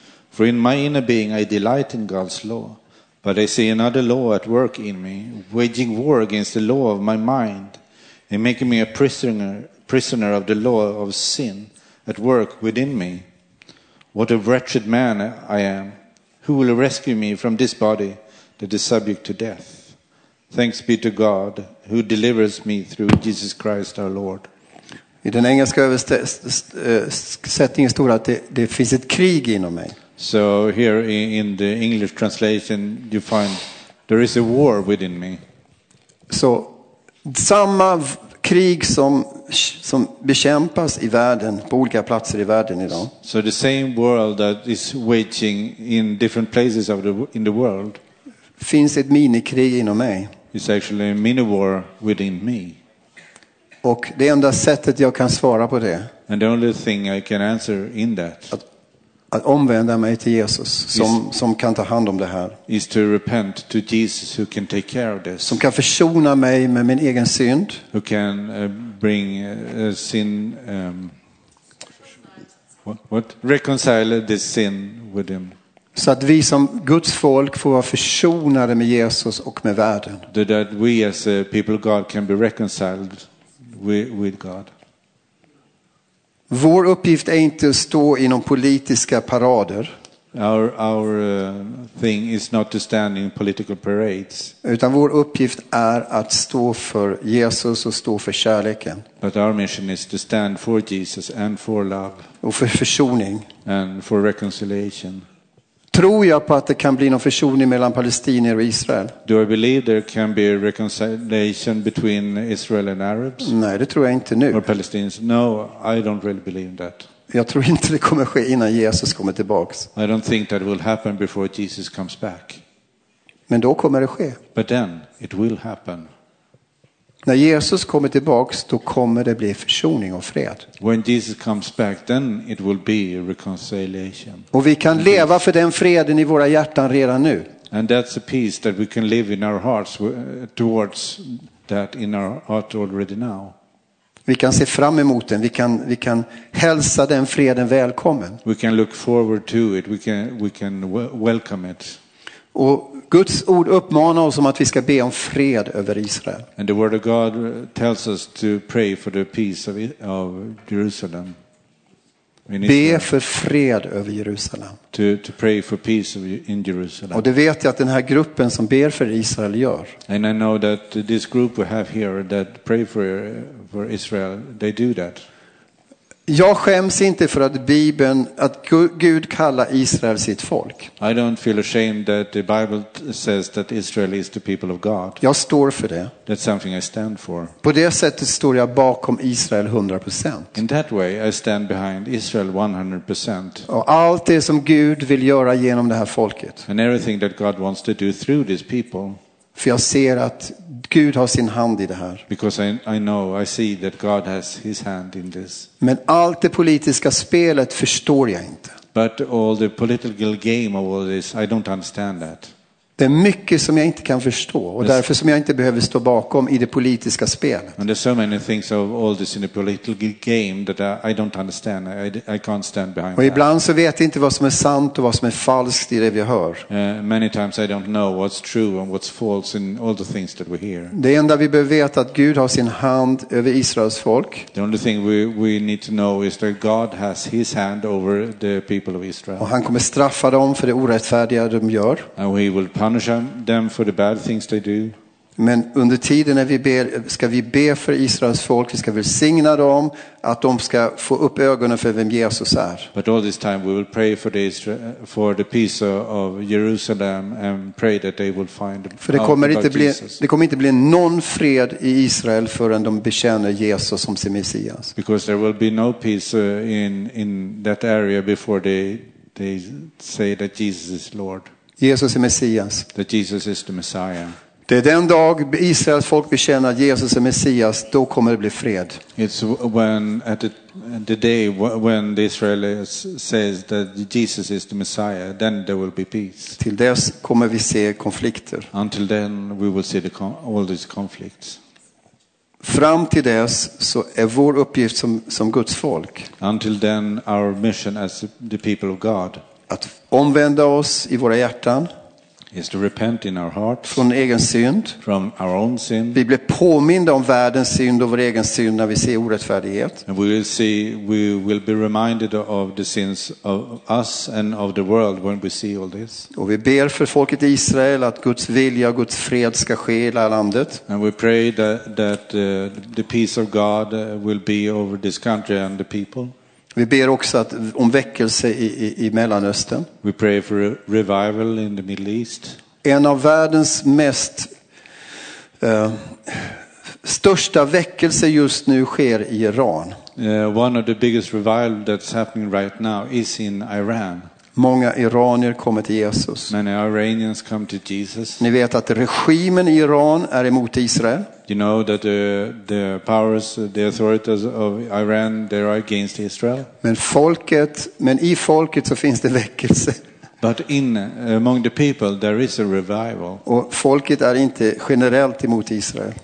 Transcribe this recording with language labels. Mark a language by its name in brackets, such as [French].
[English] For in my inner being I delight in God's law. But I see another law at work in me, waging war against the law of my mind and making me a prisoner of the law of sin at work within me. What a wretched man I am. Who will rescue me from this body that is subject to death? Thanks be to God who delivers me through Jesus Christ our Lord. [Swedish] I den engelska översättningen står att det finns ett krig inom mig. [English] So here in the English translation you find there is a war within me. [Swedish] Så samma krig som bekämpas i världen på olika platser i världen idag. [English] So the same world that is waging in different places of in the world. [Swedish] Finns ett minikrig inom mig. [English] It's actually a mini war within me. [Swedish] Och det enda sättet jag kan svara på det. [English] And the only thing I can answer in that. [Swedish] Att omvända mig till Jesus som kan ta hand om det här. [English] Is to repent to Jesus who can take care of this. [Swedish] Som kan försona mig med min egen synd. [English] Who can bring sin what reconcile this sin with him. [Swedish] Så att vi som Guds folk får vara försonade med Jesus och med världen. [English] That we as a people of God can be reconciled with God. [Swedish] Vår uppgift är inte att stå i någon politiska parader. [English] Our thing is not to stand in political parades. [Swedish] Utan vår uppgift är att stå för Jesus och stå för kärleken. [English] But our mission is to stand for Jesus and for love. [Swedish] Och för försoning. [English] And for reconciliation. [Swedish] Tror jag på att det kan bli någon försoning mellan palestinier och Israel? [English] Do I believe there can be a reconciliation between Israel and Arabs? [Swedish] Nej, det tror jag inte nu. [English] Or Palestinians? No, I don't really believe that. [Swedish] Jag tror inte det kommer ske innan Jesus kommer tillbaka. [English] I don't think that will happen before Jesus comes back. [Swedish] Men då kommer det ske. [English] But then it will happen. [Swedish] När Jesus kommer tillbaka, då kommer det bli försoning och fred. [English] When Jesus comes back, then it will be a reconciliation. [Swedish] Och vi kan leva för den freden i våra hjärtan redan nu. [English] And that's a peace that we can live in our hearts towards that in our heart already now. [Swedish] Vi kan se fram emot den. Vi kan hälsa den freden välkommen. [English] We can look forward to it. We can welcome it. [Swedish] Och Guds ord uppmanar oss om att vi ska be om fred över Israel. [English] And the word of God tells us to pray for the peace of Jerusalem. [Swedish] Be för fred över Jerusalem. [English] To pray for peace in Jerusalem. [Swedish] Och det vet jag att den här gruppen som ber för Israel gör. [English] And I know that this group we have here that pray for Israel, they do that. [Swedish] Jag skäms inte för att Bibeln, att Gud kallar Israel sitt folk. [English] I don't feel ashamed that the Bible says that Israel is the people of God. [Swedish] Jag står för det. [English] That's something I stand for. [Swedish] På det sättet står jag bakom Israel 100%. [English] In that way I stand behind Israel 100%. [Swedish] Och allt det som Gud vill göra genom det här folket. [English] And everything that God wants to do through these people. [Swedish] För jag ser att Gud har sin hand i det här. [English] Because I know, I see that God has his hand in this. [Swedish] Men allt det politiska spelet förstår jag inte. [English] But all the political game of all this, I don't understand that. [Swedish] Det är mycket som jag inte kan förstå och [English] there's, [Swedish] därför som jag inte behöver stå bakom i det politiska spelet. [English] And there's so many things of all this in the political game that I don't understand. I can't stand behind that. [Swedish] Och ibland så vet jag inte vad som är sant och vad som är falskt i det vi hör. [English] Many times I don't know what's true and what's false in all the things that we hear. [Swedish] Det enda vi behöver veta att Gud har sin hand över Israels folk. [English] The only thing we need to know is that God has his hand over the people of Israel. [Swedish] Och han kommer straffa dem för det orättfärdiga de gör. [English] And he will punish them for the bad things they do. [Swedish] Men under tiden när vi ber, ska vi be för Israels folk, vi ska välsigna dem, att de ska få upp ögonen för vem Jesus är. [English] But all this time we will pray for the peace of Jerusalem and pray that they will find out about Jesus. [Swedish] Det kommer inte bli någon fred i Israel förrän de bekänner Jesus som sin Messias. [English] Because there will be no peace in that area before they say that Jesus is Lord. [Swedish] Jesus är Messias. [English] That Jesus is the Messiah. [Swedish] Det är den dag Israels folk bekänner Jesus är Messias, då kommer det bli fred. [English] It's when at the day when the Israelites says that Jesus is the Messiah, then there will be peace. [Swedish] Till dess kommer vi se konflikter. [English] Until then we will see all these conflicts. [Swedish] Fram till dess så är vår uppgift som Guds folk. [English] Until then our mission as the people of God. [Swedish] Att omvända oss i våra hjärtan. [English] Is to repent in our hearts. [Swedish] Från egen synd. [English] From our own sin. [Swedish] Vi blir påminna om världens synd och vår egen synd när vi ser orättfärdighet. [English] And we will be reminded of the sins of us and of the world when we see all this. [Swedish] Och vi ber för folket i Israel att Guds vilja och Guds fred ska ske i hela landet. [English] And we pray that the peace of God will be over this country and the people. [Swedish] Vi ber också att om väckelse i Mellanöstern. [English] We pray for a revival in the Middle East. [Swedish] En av världens mest största väckelse just nu sker i Iran. [English] One of the biggest revival that's happening right now is in Iran. [Swedish] Många iranier kommer till Jesus. [English] Many Iranians come to Jesus. [Swedish] Ni vet att regimen i Iran är emot Israel. [English] You know that the powers, the authorities of Iran, they are against Israel. [Swedish] Men i folket så finns det väckelse. [English] But in among the people there is a revival. [Swedish] Och folket är inte generellt emot Israel.